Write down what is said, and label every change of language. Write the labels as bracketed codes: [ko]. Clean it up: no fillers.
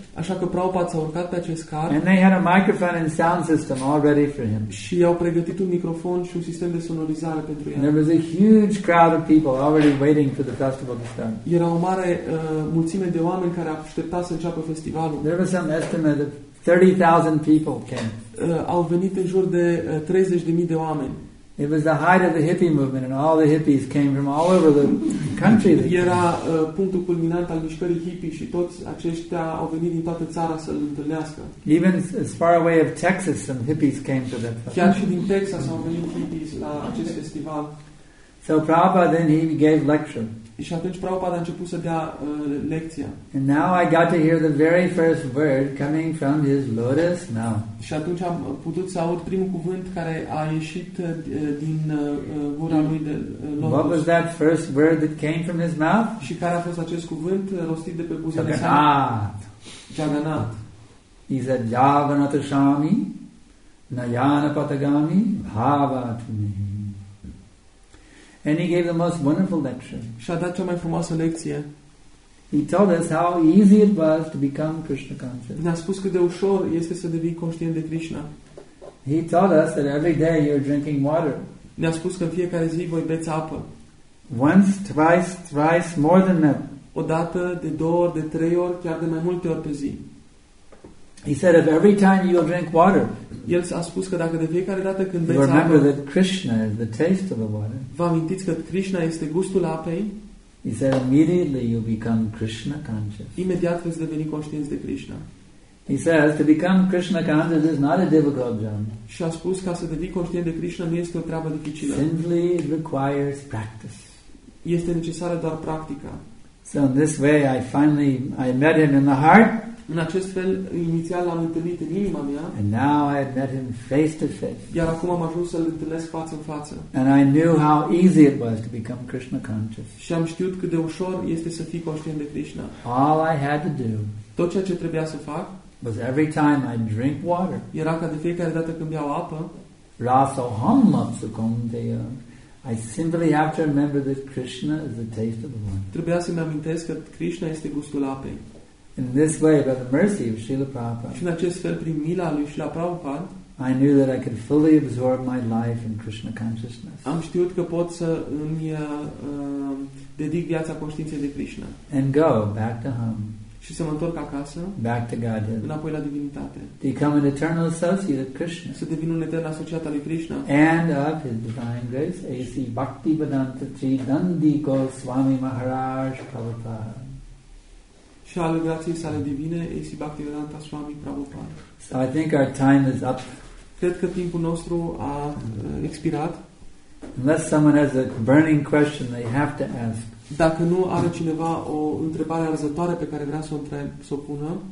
[ro] Așa că Prabhupada s-a urcat pe acest car. [en] And they had a microphone and sound system all ready for him. [ro] Și au pregătit un microfon și un sistem de sonorizare pentru el. [en] And there was a huge crowd of people already waiting for the festival to start. [ro] Era o mare mulțime de oameni care aștepta să înceapă festivalul. [en] There was an estimate of 30,000 people came. [ro] Au venit în jur de 30,000 de oameni. [en] It was the height of the hippie movement and all the hippies came from all over the country. [ro] Era punctul culminant al mișcării hippie și toți aceștia au venit din toată țara să-l întâlnească. [en] Even as far away as Texas some hippies came to that. [ro] Chiar și din Texas au venit hippies la acest festival. [en] So Prabhupada then he gave lecture. [ro] Și atunci Prabhupada a început să dea lecția. [en] And now I got to hear the very first word coming from his lotus mouth. [ro] Și atunci am putut să aud primul cuvânt care a ieșit din gura lui de lotus. [en] What was that first word that came from his mouth? [ro] Și care a fost acest cuvânt rostit de pe buzele sale? [en] Jagannath. [ro] Jagannath. [en] He said, [sa] Jagannath Shami, Nayana Patagami, Bhavatmi. [en] And he gave the most wonderful lecture. [ro] Și a dat cea mai frumoasă lecție. [en] He told us how easy it was to become Krishna conscious. [ro] Ne-a spus cât de ușor este să devii conștient de Krishna. [en] He told us that every day you're drinking water. [ro] Ne-a spus că în fiecare zi voi beți apă. [en] Once, twice, thrice, more than that. [ro] O dată, de două ori, de trei ori, chiar de mai multe ori pe zi. [en] He said if every time you drink water. [ro] El a spus că dacă de fiecare dată când beți apă. [en] Remember that Krishna is the taste of the water. [ro] Vă amintiți că Krishna este gustul apei? [en] He said immediately you become Krishna conscious. [ro] Imediat veți deveni conștienți de Krishna. [en] He says to become Krishna conscious is not a difficult job. [ro] Și a spus ca să devii conștient de Krishna nu este o treabă dificilă. [en] Simply requires practice. [ro] Este necesară doar practica. [en] So in this way I finally met him in the heart. [ro] În acest fel, inițial l-am întâlnit în inima mea. [en] And now I had met him face to face. [ro] Iar acum am ajuns să-l întâlnesc față în față. [en] And I knew how easy it was to become Krishna conscious. [ro] Și am știut cât de ușor este să fii conștient de Krishna. [en] All I had to do. [ro] Tot ceea ce trebuia să fac. [en] Was every time I drink water. [ro] Era ca de fiecare dată când beau apă. [sa] Rasoham apsukam deya. [en] I simply have to remember that Krishna is the taste of the water. [ro] Trebuia să-mi amintesc că Krishna este gustul apei. [en] In this way, by the mercy of Srila Prabhupada. [ro] Și în acest fel, prin mila lui Srila Prabhupada. [en] I knew that I could fully absorb my life in Krishna consciousness. [ro] Am știut că pot să îmi dedic viața conștiinței de Krishna. [en] And go back to home. [ro] și să mă întorc acasă, [en] back to Godhead, [ro] înapoi la divinitate, [en] become an eternal associate of Krishna, [ro] să devin un etern asociat al lui Krishna, [en] and of his divine grace A.C. Bhakti Vedanta Sri Dandi Goswami Maharaj Prabhupada. [ro] Și al grației sale divine A.C. Bhakti Vedanta Swami Prabhupada. [en] So I think our time is up. [ro] Cred că timpul nostru a expirat. [en] Unless someone has a burning question they have to ask. [ro] Dacă nu are cineva o întrebare arzătoare pe care vrea să o s-o pună.